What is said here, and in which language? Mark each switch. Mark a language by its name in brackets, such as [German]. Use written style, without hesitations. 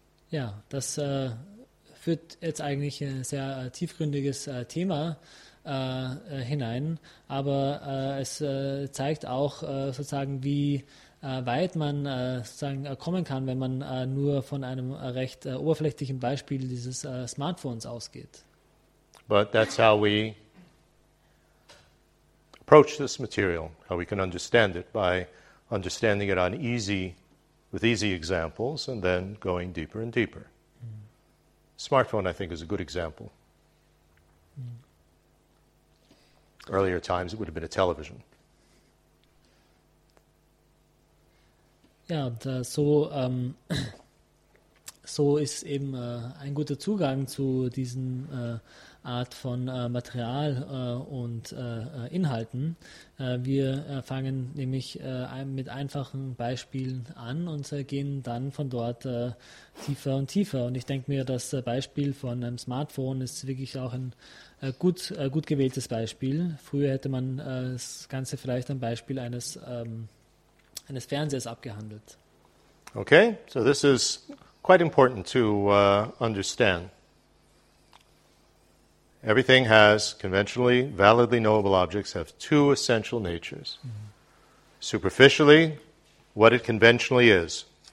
[German] Ja, das führt jetzt eigentlich in ein sehr tiefgründiges Thema hinein, aber es zeigt auch sozusagen, wie weit man sozusagen kommen kann, wenn man nur von einem recht oberflächlichen Beispiel dieses Smartphones ausgeht. [English] But that's how we approach this material, how we can understand it by understanding it on easy, with easy examples, and then going deeper and deeper. Smartphone, I think, is a good example. Earlier times, it would have been a television. [German] Ja, und so so ist eben ein guter Zugang zu diesen Art von Material und Inhalten. Wir fangen nämlich mit einfachen Beispielen an und gehen dann von dort tiefer und tiefer. Und ich denke mir, das Beispiel von einem Smartphone ist wirklich auch ein gut gewähltes Beispiel. Früher hätte man das Ganze vielleicht am Beispiel eines Fernsehers abgehandelt. [English] Okay, so this is quite important to understand. Everything has conventionally, validly knowable objects have two essential natures. Mm-hmm. Superficially, what it conventionally is.